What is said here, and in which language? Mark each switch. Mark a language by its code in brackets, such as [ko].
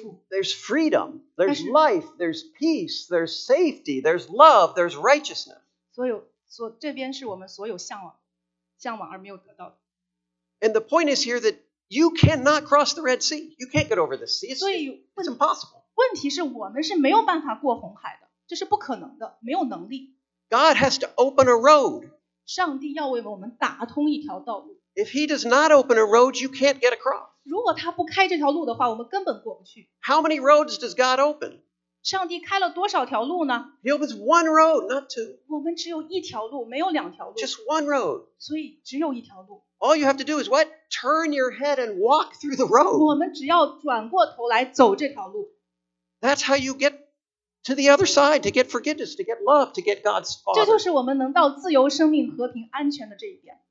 [en] There's freedom, there's life, there's peace, there's safety, there's love, there's righteousness. [zh] 这边是我们所有向往而没有得到的。 [en] And the point is here that you cannot cross the Red Sea. You can't get over the sea. It's impossible. [zh] 问题是我们是没有办法过红海的，这是不可能的，没有能力。 [en] God has to open a road. [zh] 上帝要为我们打通一条道路。 [en] If he does not open a road, you can't get across. [zh] 如果他不开这条路的话，我们根本过不去。 [en] How many roads does God open? [zh] 上帝开了多少条路呢? [en] He opens one road, not two. [zh] 我们只有一条路，没有两条路。 [en] Just one road. [zh] 所以只有一条路。 [en] All you have to do is what? Turn your head and walk through the road. [zh] 我们只要转过头来走这条路。 [en] That's how you get to the other side, to get forgiveness, to get love, to get God's Father. [zh] 这就是我们能到自由、生命、和平、安全的这一点。